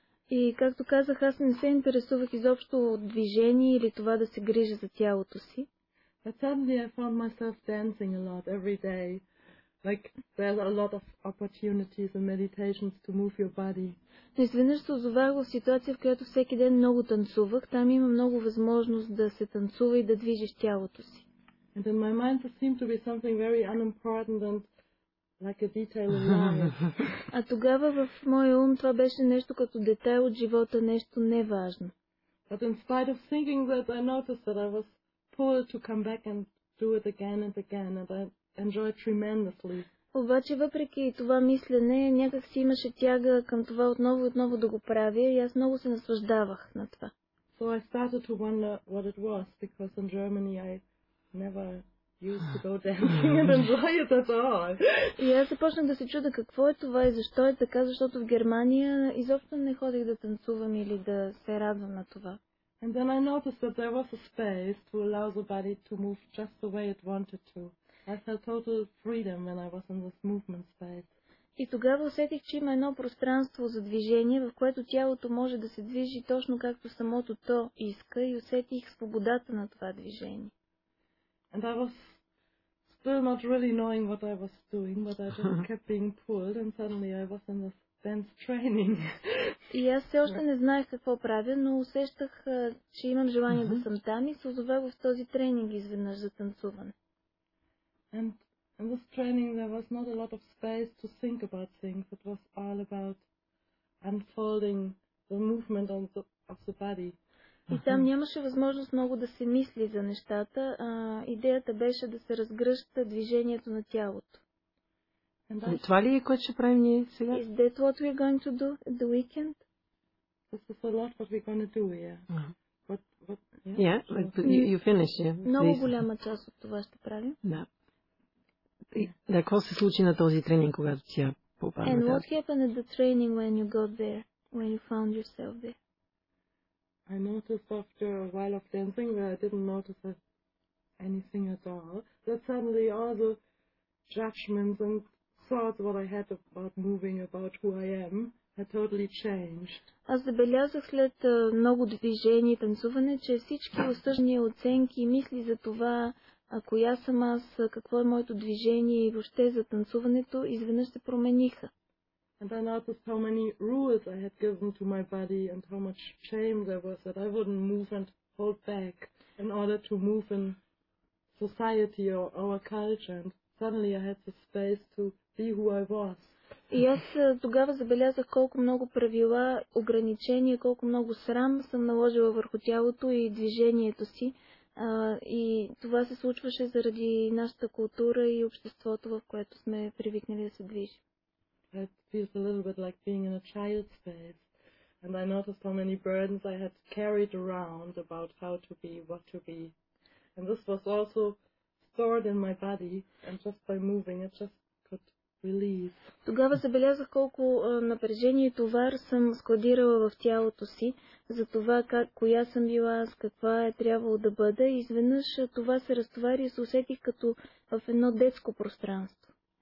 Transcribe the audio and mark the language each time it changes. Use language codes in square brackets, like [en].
[bg] И както казах, аз не се интересувах изобщо от движение или това да се грижа за тялото си. [en] But suddenly I found myself dancing a lot every day. Like there's a lot of opportunities and meditations to move your body. [bg] Изведнъж се озовах в ситуация, в която всеки ден много танцувах. Там има много възможност да се танцува и да движиш тялото си. [en] And in my mind it seemed to be something very unimportant and like a detail in life. [bg] А тогава в моя ум това беше нещо като детайл от живота, нещо неважно. [en] But in spite of thinking that, I noticed that I was pulled to come back and do it again and again, and I enjoy tremendously. [bg] Обаче въпреки това мислене, някак си имаше тяга към това отново и отново да го правя и аз много се наслаждавах на това. [en] So I started to wonder what it was, because in Germany I never used to go dancing and enjoy it at all. [bg] И аз започнах да се чуда какво е това и защо е така, защото в Германия изобщо не ходих да танцувам или да се радвам на това. [en] And then I noticed that there was a space to allow the body to move just the way it wanted to. I felt total freedom when I was in this movement space. [bg] И тогава усетих, че има едно пространство за движение, в което тялото може да се движи точно както самото то иска, и усетих свободата на това движение. [en] And I was still not really knowing what I was doing, but I just kept being pulled and suddenly I was in this dance training. [bg] И аз все още не знаех какво правя, но усещах, че имам желание да съм там и се озовах в този тренинг изведнъж за танцуване. [en] And in this training there was not a lot of space to think about things. It was all about unfolding the movement of the body. [bg] И там нямаше възможност много да се мисли за нещата. Идеята беше да се разгръща движението на тялото. Това ли е, което ще правим ние сега? [en] Is that what we're going to do at the weekend? This is a lot what we're going to do, yeah. You finish, yeah. [bg] Много голяма част от това ще правим. Да. Да, какво се случи на този тренинг, когато ти я попадна? [en] And what happened at the training when you got there, when you found yourself there? I noticed after a while of dancing that I didn't notice anything at all. That suddenly all the judgments and thoughts what I had about moving, about who I am, had totally changed. [bg] Аз забелязах след много движение и танцуване, че всички осъждани оценки и мисли за това, ако я съм аз, какво е моето движение и въобще за танцуването, изведнъж се промениха. [en] And I noticed how many rules I had given to my body and how much shame there was that I wouldn't move and hold back in order to move in society or our culture, and suddenly I had the space to be who I was. [bg] И аз тогава забелязах колко много правила, ограничения, колко много срам съм наложила върху тялото и движението си. И това се случваше заради нашата култура и обществото, в което сме привикнали да се движим. [en] It feels a little bit like being in a child space. And I noticed how many burdens I had carried around about how to be, what to be. And this was also stored in my body, and just by moving it just could. [bg] Тогава забелязах колко напрежение и товар съм складирала в тялото си, за това как, коя съм била аз, каква е трябвало да бъда. И изведнъж това се разтовари и се усетих като в едно детско пространство.